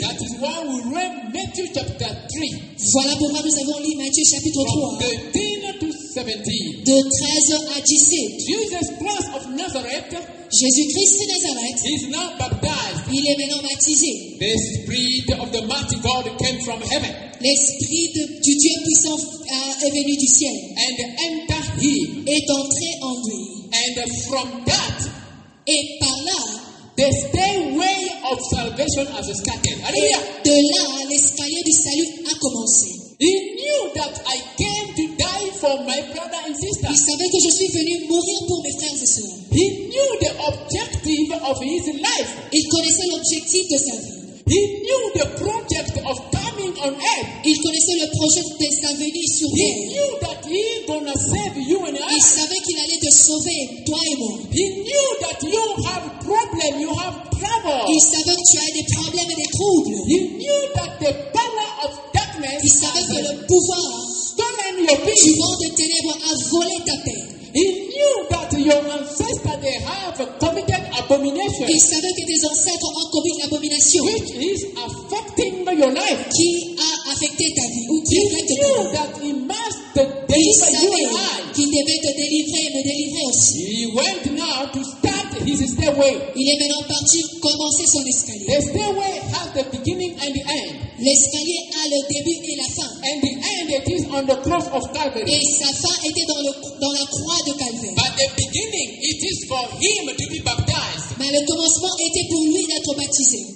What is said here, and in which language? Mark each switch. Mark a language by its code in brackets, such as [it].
[en] That is why we read Matthew chapter 3. [fr] Voilà pourquoi nous avons lu Matthieu chapitre 3. [en] From 13 to 17. [fr] De 13 à 17. [en] Jesus Christ of Nazareth. [fr] Jésus-Christ de Nazareth. [en] Is now baptized. [fr] Il est maintenant baptisé. [en] The Spirit of the mighty God came from heaven. [fr] L'Esprit du Dieu puissant est venu du ciel. [en] And entered him. [fr] Est entré en lui. [en] And from that. [fr] Et par là. [en] The stairway of salvation has started. Alléluia. [fr] De là, l'escalier du salut a commencé. [en] He knew that I came to die for my brother and sister. [fr] Il savait que je suis venu mourir pour mes frères et sœurs. [en] He knew the objective of his life. [fr] Il connaissait l'objectif de sa vie. [en] He knew the project of coming on earth. [fr] Il connaissait le projet de sa venue sur [en] he [fr] terre. [en] He knew that he gonna save you and I. [fr] Il savait qu'il allait te sauver, toi et moi. [en] He knew that you have problem, you have trouble. [fr] Il savait que tu as des problèmes et des troubles. [en] He knew that the power of darkness. [fr] Il savait que le pouvoir [en] stolen your peace. [fr] Du vent des ténèbres a volé ta paix. [en] He knew that your ancestors they have committed abomination. [fr] Il savait que tes ancêtres ont commis l'abomination. [en] Which is affecting your life. [fr] Qui a affecté ta vie ou qui affecte ta vie. [en] He knew that he must deliver you and I. [fr] Qu'il devait te délivrer et me délivrer aussi. [en] He went now to start his stairway. [fr] Il est maintenant parti commencer son escalier. [en] The stairway has the beginning and the end. [fr] L'escalier a le début et la fin. [en] And the end it is on the cross of Calvary. [fr] Et sa fin était dans le dans la croix de Calvaire. [en] But the beginning it is for him to be baptized. [fr] Mais le commencement était pour lui d'être baptisé.